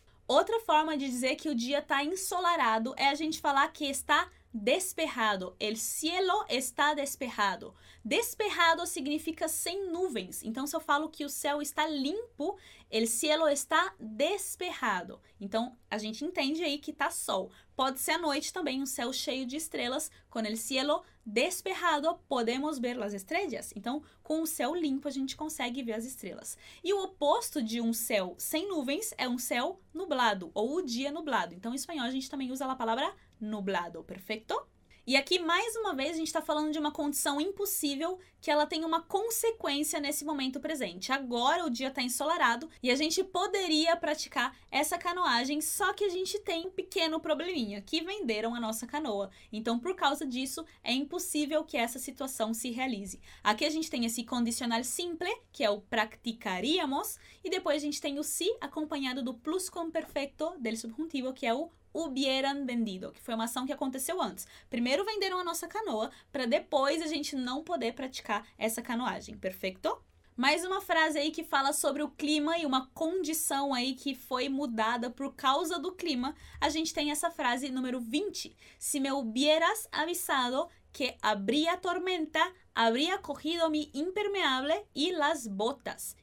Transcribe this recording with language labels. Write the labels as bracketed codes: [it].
[pt] Outra forma de dizer que o dia está ensolarado é a gente falar que está despejado. [es] El cielo está despejado. Despejado significa sem nuvens. [pt] Então, se eu falo que o céu está limpo, [es] el cielo está despejado. [pt] Então, a gente entende aí que está sol. Pode ser à noite também, um céu cheio de estrelas. [es] Con el cielo despejado, podemos ver las estrellas. [pt] Então, com o céu limpo, a gente consegue ver as estrelas. E o oposto de um céu sem nuvens é um céu nublado, ou o dia nublado. Então, em espanhol, a gente também usa a palavra nublado, perfeito? E aqui, mais uma vez, a gente está falando de uma condição impossível que ela tem uma consequência nesse momento presente. Agora o dia está ensolarado e a gente poderia praticar essa canoagem, só que a gente tem um pequeno probleminha, que venderam a nossa canoa. Então, por causa disso, é impossível que essa situação se realize. Aqui a gente tem esse condicional simple, que é o practicaríamos, e depois a gente tem o si acompanhado do plusquamperfecto del subjuntivo, que é o hubieran vendido, que foi uma ação que aconteceu antes. Primeiro venderam a nossa canoa, para depois a gente não poder praticar essa canoagem, perfeito? Mais uma frase aí que fala sobre o clima e uma condição aí que foi mudada por causa do clima. A gente tem essa frase número 20. [es] Si me hubieras avisado que habría tormenta, habría cogido mi impermeable y las botas.